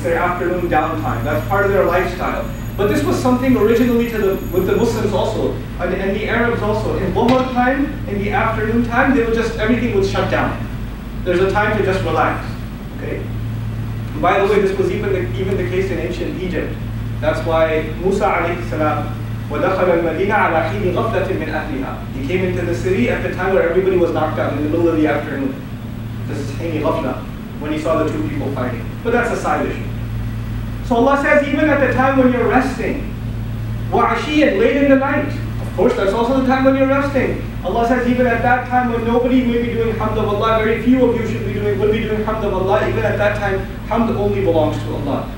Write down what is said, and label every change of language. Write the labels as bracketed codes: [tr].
[en] It's their afternoon downtime. That's part of their lifestyle. But this was something originally with the Muslims also, and the Arabs also. In Dhuhr time, in the afternoon time, they would just, everything would shut down. There's a time to just relax, okay? By the way, this was even the case in ancient Egypt. That's why [ar] Musa alayhi salam, وَدَخَلَ الْمَدِينَةَ عَلَىٰ حِينِ غَفْلَةٍ مِنْ أَهْلِهَا. [en] He came into the city at the time where everybody was knocked out in the middle of the afternoon. This is حِينِ غَفْلَةٍ, when he saw the two people fighting. But that's a side issue. So Allah says, even at the time when you're resting, وَعَشِيًا, late in the night. Of course, that's also the time when you're resting. Allah says, even at that time when nobody may be doing hamd of Allah, very few of you would be doing hamd of Allah, even at that time, hamd only belongs to Allah.